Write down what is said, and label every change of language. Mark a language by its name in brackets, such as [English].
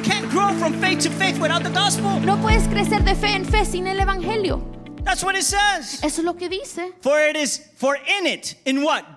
[English] grow from faith to faith without the gospel. [Spanish] No puedes crecer de fe en fe sin el evangelio. [English] That's what it says. [Spanish] Eso es lo que dice. [English] For it is for in it, in what?